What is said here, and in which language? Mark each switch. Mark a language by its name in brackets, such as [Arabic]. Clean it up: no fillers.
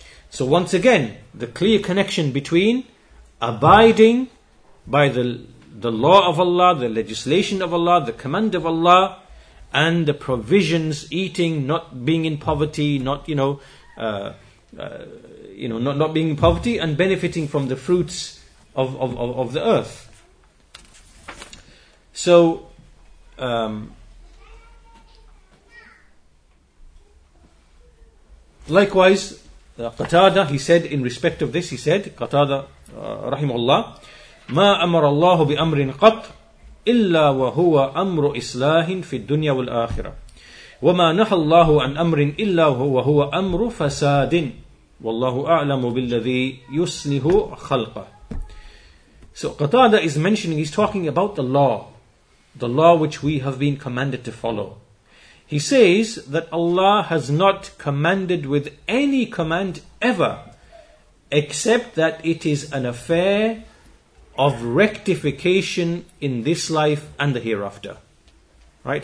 [English] So once again, the clear connection between abiding by the law of Allah, the legislation of Allah, the command of Allah, and the provisions, eating, not being in poverty, not being in poverty and benefiting from the fruits of the earth. So, likewise, Qatada, he said in respect of this, he said, Qatada, rahimahullah, [Arabic] ما أمر الله بأمر قط إلا وهو أمر إصلاح في الدنيا والآخرة وما نهى الله عن أمر إلا وهو أمر فساد والله أعلم بالذي يصلح خلقه. [English] So Qatada is mentioning, he's talking about the law which we have been commanded to follow. He says that Allah has not commanded with any command ever, except that it is an affair of rectification in this life and the hereafter. Right?